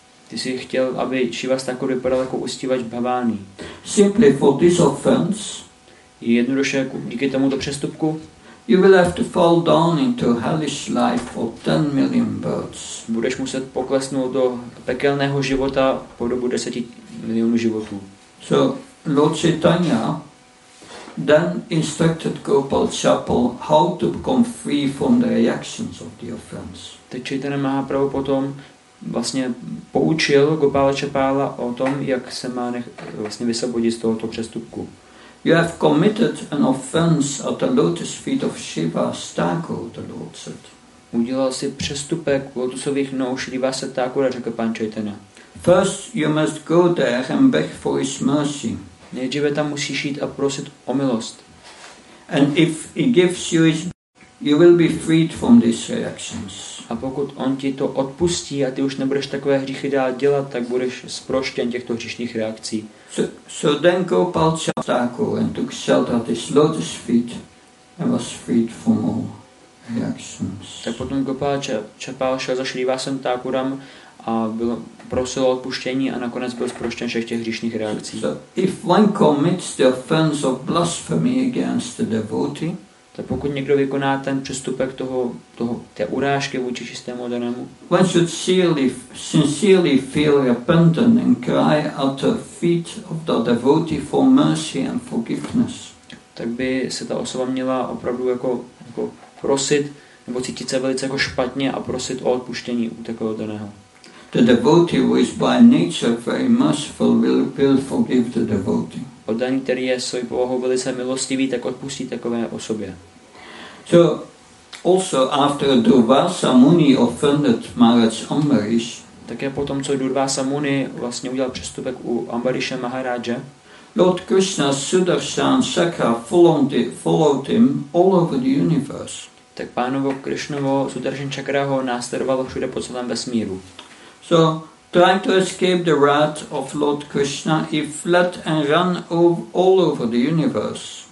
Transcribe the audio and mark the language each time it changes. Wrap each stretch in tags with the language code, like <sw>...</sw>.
<cs>Ty jsi chtěl, aby Shrivas Thakur vypadal jako uctívač Bhavani.</cs> <en>Simply for this offense.</en> <cs>Jednoduše díky tomuto přestupku.</cs> <en>You will have to fall down into hellish life for 10 million births.</en> <cs>Budeš muset poklesnout do pekelného života po dobu 10 milionů životů.</cs> <en>So Lord Chaitanya then instructed Gopal Chapala how to become free from the reactions of the offense.</en> <cs>Teď Chaitanya Mahaprabhu potom vlastně poučil Gopala Chapala o tom, jak se má vlastně vysvobodit z tohoto přestupku.</cs> <en>You have committed an offense at the lotus feet of Shiva Stakur, the Lord said.</en> <cs>Udělal si přestupek u lotusových nohou Shrivasa Thakura, řekl pan Chaitanya.</cs> <en>First you must go there and beg for his mercy.</en> <cs>Nejdříve tam musíš jít a prosit o milost.</cs> <en>And if he gives you his, you will be freed from these reactions.</en> <cs>A pokud on ti to odpustí a ty už nebudeš takové hříchy dál dělat, tak budeš zproštěn těchto hříšných reakcí.</cs> <en>So then Gopal Chapala and took shelter at his lotus feet and was freed from all reactions.</en> <cs>Tak potom Gopal Chapala šel za Shrivasem Thakuram a byl prosil o odpuštění a nakonec byl zproštěn všech těch hříšných reakcí.</cs> <en>So if one commits the offense of blasphemy against the devotee,</en> <cs>tak pokud někdo vykoná ten přestupek toho té urážky vůči čistému oddanému,</cs> <en>one should sincerely feel repentant and cry at the feet of the devotee for mercy and forgiveness.</en> <cs>Tak by se ta osoba měla opravdu jako prosit nebo cítit se velice jako špatně a prosit o odpuštění u takového daného.</cs> <en>The devotee who is by nature very merciful will forgive the devotee.</en> <cs>Oddaný, který je svojí povahou velice milostivý, tak odpustí takové osobě.</cs> <en>So also after Durvasa Muni offended Maharaj Ambarish,</en> <cs>také potom co Durvasa Muni vlastně udělal přestupek u Ambarisha Maharaja,</cs> <en>Lord Krishna Sudarshan Chakra followed him all over the universe.</en> <cs>Tak pánovo Krishnovo Sudarshan Chakra ho následovalo všude po celém vesmíru.</cs> <en>So trying to escape the wrath of Lord Krishna, he fled and ran all over the universe.</en>